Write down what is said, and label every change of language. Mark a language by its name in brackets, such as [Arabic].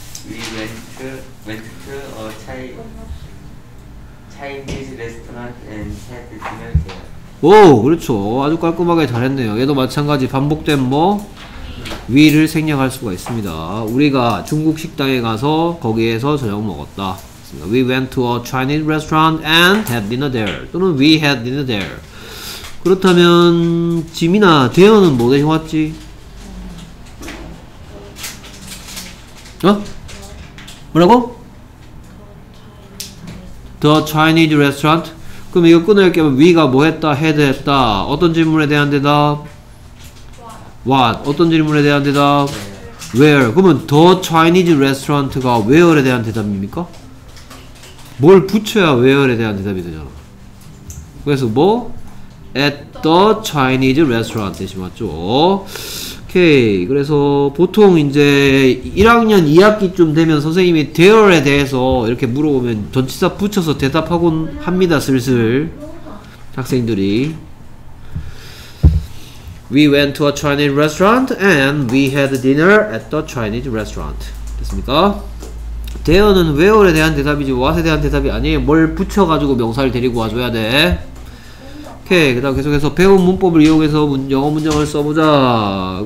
[English] We went to a Chinese restaurant and had dinner there. [Korean] 오! 그렇죠. 아주 깔끔하게 잘했네요. 얘도 마찬가지 반복된 뭐? 위를 생략할 수가 있습니다. 우리가 중국 식당에 가서 거기에서 저녁 먹었다. [English] We went to a Chinese restaurant and had dinner there. 또는 we had dinner there. [Korean] 그렇다면 지민아, 대현은 뭐 대신 왔지? 어? 뭐라고? [English] The Chinese restaurant. [Korean] 그럼 이거 끊을 게면 we가 뭐 했다, had 했다. 어떤 질문에 대한 대답? What? 어떤 질문에 대한 대답? Where? 그러면 [English] The Chinese Restaurant [Korean] 가 Where에 대한 대답입니까? 뭘 붙여야 Where에 대한 대답이 되잖아. 그래서 뭐? [English] At the Chinese restaurant [Korean] 뜻이 맞죠? 오케이. 그래서 보통 이제 1학년 2학기쯤 되면 선생님이 there에 대해서 이렇게 물어보면 전치사 붙여서 대답하곤 합니다. 슬슬 학생들이 [English] We went to a Chinese restaurant and we had dinner at the Chinese restaurant. [Korean] 됐습니까? There는 where에 대한 대답이지 what에 대한 대답이 아니에요. 뭘 붙여가지고 명사를 데리고 와줘야 돼. 오케이. 그 다음 계속해서 배운 문법을 이용해서 영어 문장을 써보자.